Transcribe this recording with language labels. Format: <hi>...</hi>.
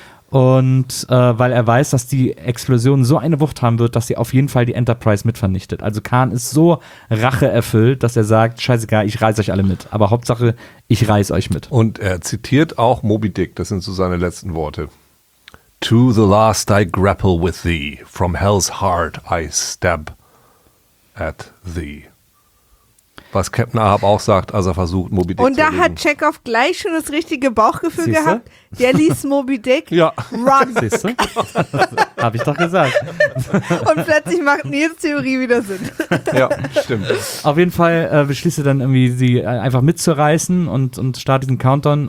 <de>Und weil er weiß, dass die Explosion so eine Wucht haben wird, dass sie auf jeden Fall die Enterprise mitvernichtet. Also Khan ist so racheerfüllt, dass er sagt, scheißegal, ich reiß euch alle mit. Aber Hauptsache, ich reiß euch mit. Und er zitiert auch Moby Dick, das sind so seine letzten Worte.</de> <en>To the last I grapple with thee, from hell's heart I stab at thee.</en> <de>Was Captain Ahab auch sagt, als er versucht, Moby Dick zu Und da hat Chekhov gleich schon das richtige Bauchgefühl Siehste? Gehabt. Der liest Moby Dick. Ja. Run. Siehst du? Hab ich doch gesagt. Und plötzlich macht Nils Theorie wieder Sinn. Ja, stimmt. Auf jeden Fall beschließt er dann irgendwie, sie einfach mitzureißen und startet diesen Countdown.</de>